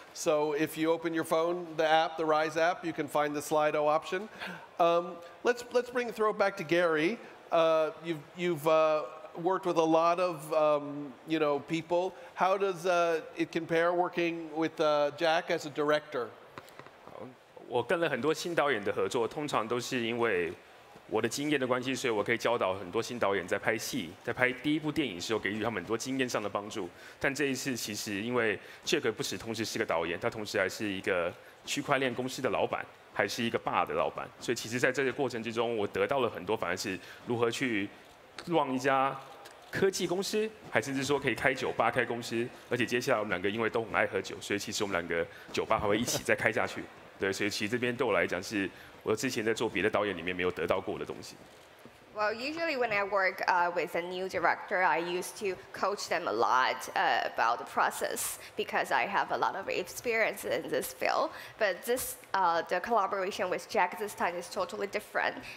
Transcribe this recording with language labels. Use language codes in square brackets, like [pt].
[en] So if you open your phone, the app, the Rise app, you can find the Slido option. Let's bring throw it back to Gary. You've worked with a lot of people. How does it compare working with Jack as a director? [zh] 我跟了很多新导演的合作，通常都是因为 我的经验的关系，所以我可以教导很多新导演在拍戏，在拍第一部电影时候给予他们很多经验上的帮助。但这一次，其实因为 Jack 不只同时是个导演，他同时还是一个区块链公司的老板，还是一个爸的老板。所以其实在这个过程之中，我得到了很多，反而是如何去让一家科技公司，还甚至说可以开酒吧、开公司。而且接下来我们两个因为都很爱喝酒，所以其实我们两个酒吧还会一起再开下去。 对，所以其实这边对我来讲是 [en] Well, usually when I work with a new director, I used to coach them a lot about the process because I have a lot of experience in this field. But this the collaboration with Jack this time is totally different.